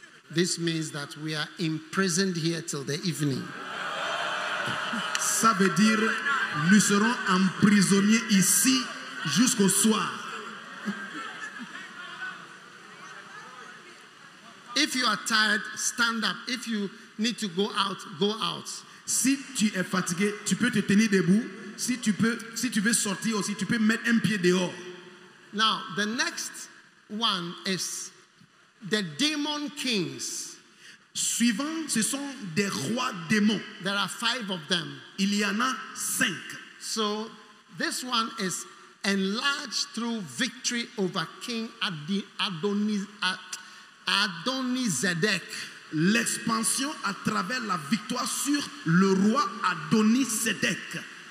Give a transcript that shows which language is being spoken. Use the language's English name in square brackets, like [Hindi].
[English] This means that we are imprisoned here till the evening. [French] Ça veut dire nous serons emprisonniers ici jusqu'au soir. [English] If you are tired, stand up. If you need to go out, go out. [French] Si tu es fatigué, tu peux te tenir debout. Si tu veux sortir aussi, tu peux mettre un pied dehors. [English] Now, the next one is the demon kings. [French] Suivant, ce sont des rois démons. [English] There are 5 of them. [French] Il y en a 5. [English] So, this one is enlarged through victory over King Adonizedek. [French] L'expansion à travers la victoire sur le roi Adonizedek.